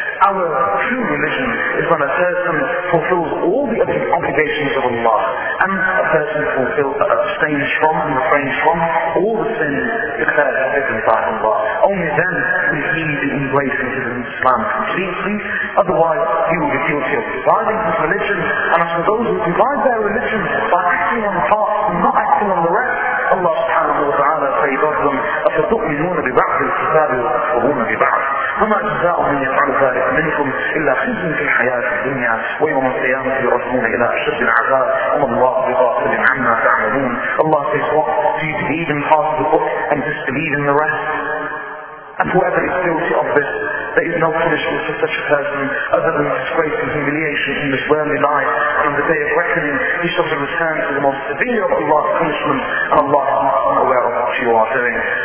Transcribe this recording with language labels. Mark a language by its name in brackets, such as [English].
[English] Our true religion is when a person fulfills all the obligations of Allah, and a person abstains from and refrains from all the sins declared forbidden by Allah. Only then will he be embracing his Islam completely. Otherwise, he will be guilty of dividing his religion. And as for those who divide their religion by acting on part and not acting on the rest, Allah subhanahu wa ta'ala says of them, [Arabic] أَفَتُؤْمِنُونَ بِبَعْضِ الْكِتَابِ وَتَكْفُرُونَ بِبَعْضٍ وَمَا جَزَاءُ مَنْ يَفْعَلُ ذَلِكَ مِنْكُمْ إِلَّا خِزْيٌ فِي الْحَيَاةِ الدُّنْيَا وَيَوْمَ الْقِيَامَةِ يُرَدُّونَ إِلَىٰ أَشَدِّ الْعَذَابِ وَمَا اللَّهُ بِغَافِلٍ عَمَّا تَعْمَلُونَ. [English] Allah says, what? Do you believe in part of the book and disbelieve in the rest? And whoever is guilty of this, there is no punishment for such a person other than disgrace and humiliation in this worldly life. On the day of reckoning, he shall be returned to the most severe of Allah's punishment, and Allah is not unaware of what you are doing.